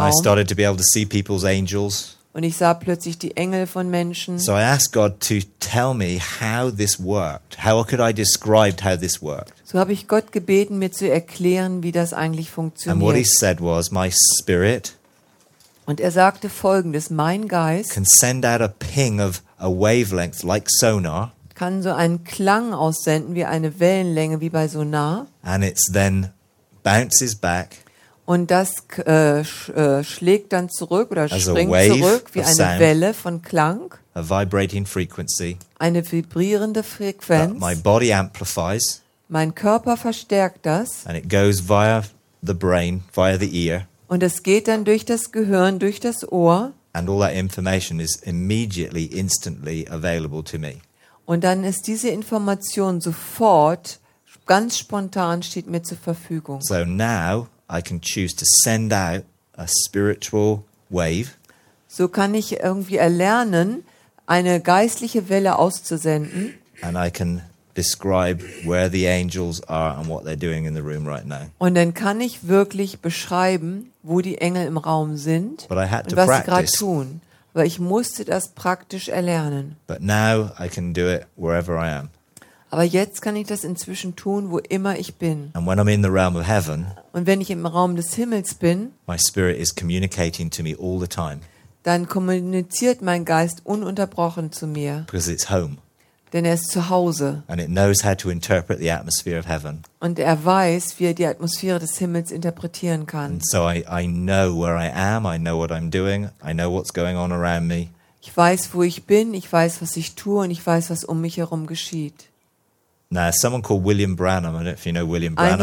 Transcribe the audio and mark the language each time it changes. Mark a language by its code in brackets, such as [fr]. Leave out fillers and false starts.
[en] And I started to be able to see people's angels. [de] Und ich sah plötzlich die Engel von Menschen. [en] So I asked God to tell me how this worked. How could I describe how this worked? [de] So habe ich Gott gebeten, mir zu erklären, wie das eigentlich funktioniert. [en] And what he said was, my spirit. [de] Und er sagte Folgendes: Mein Geist [en] can send out a ping of a wavelength like sonar. [de] Kann so einen Klang aussenden wie eine Wellenlänge wie bei Sonar. [en] And it's then bounces back. [de] Und das schlägt dann zurück oder springt zurück wie eine Welle von Klang. [en] A vibrating frequency, [de] eine vibrierende Frequenz. [en] My body amplifies, [de] mein Körper verstärkt das. [en] And it goes via the brain, via the ear, [de] und es geht dann durch das Gehirn, durch das Ohr. [en] And all that information is immediately, instantly available to me. [de] Und dann ist diese Information sofort, ganz spontan, steht mir zur Verfügung. [en] So now I can choose to send out a spiritual wave. [de] So kann ich irgendwie erlernen, eine geistliche Welle auszusenden. [en] And I can describe where the angels are and what they're doing in the room right now. [de] Und dann kann ich wirklich beschreiben, wo die Engel im Raum sind und was sie gerade tun. Aber ich musste das praktisch erlernen. [en] But now I can do it wherever I am. [de] Aber jetzt kann ich das inzwischen tun, wo immer ich bin. [en] And when I'm in the realm of heaven, [de] und wenn ich im Raum des Himmels bin, [en] my spirit is communicating to me all the time. [de] Dann kommuniziert mein Geist ununterbrochen zu mir. [en] Because it's home. [de] Denn er ist zu Hause. [en] And it knows how to interpret the atmosphere of heaven. [de] Und er weiß, wie er die Atmosphäre des Himmels interpretieren kann. [en] And so I know where I am, I know what I'm doing, I know what's going on around me. [de] Ich weiß, wo ich bin, ich weiß, was ich tue und ich weiß, was um mich herum geschieht. [en] Now, someone called William Branham, I don't know if you know William Branham.